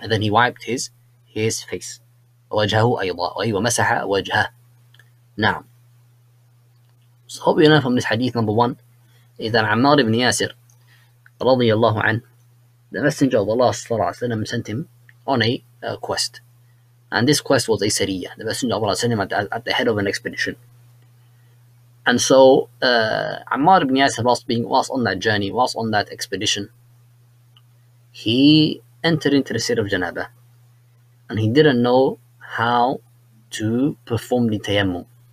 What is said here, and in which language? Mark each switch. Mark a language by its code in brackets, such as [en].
[en] And then he wiped his face. [ar] وجهه أيضا. أي ومسح وجهه. نعم. [en] So hope you know from this hadith number one. إذا عمار بن ياسر رضي الله عنه, the messenger of Allah [ar] صلى الله عليه وسلم [en] sent him on a quest. And this quest was a sariyah. The messenger of Allah sent him at the head of an expedition. And so Ammar ibn Yasir, whilst on that journey, whilst on that expedition, he entered into the state of Janabah. And he didn't know how to perform the tayammum.